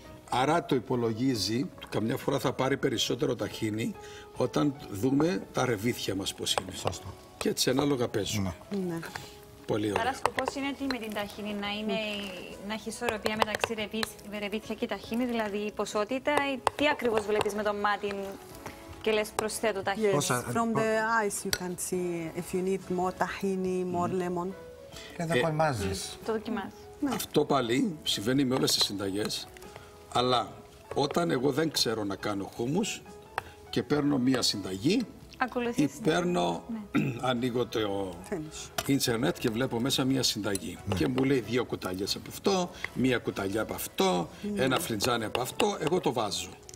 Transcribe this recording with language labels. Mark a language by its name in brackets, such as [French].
[Greek] Άρα το υπολογίζει, καμιά φορά θα πάρει περισσότερο ταχίνι όταν δούμε τα ρεβίθια μας πώς είναι. Σωστό. Και έτσι ανάλογα παίζουν. Ναι. Πολύ ωραία. Άρα σκοπός είναι τι με την ταχίνι, να είναι, να έχει ισορροπία μεταξύ ρεβίθια και ταχίνι, δηλαδή η ποσότητα, ή τι ακριβώς βλέπεις με το μάτι και λες προσθέτω ταχίνι. [English] Yes, from the eyes you can see if you need more tahini, more lemon. [Greek] Και θα κοιμάζεις. Το δοκιμάζεις. Ναι. Αυτό πάλι συμβαίνει με όλες τις συνταγές. Αλλά όταν εγώ δεν ξέρω να κάνω χούμους και παίρνω μία συνταγή ή παίρνω, ναι, ανοίγω το ίντερνετ και βλέπω μέσα μία συνταγή, ναι, και μου λέει δύο κουταλιές από αυτό, μία κουταλιά από αυτό, ναι, ένα φλιτζάνι από αυτό, εγώ το βάζω.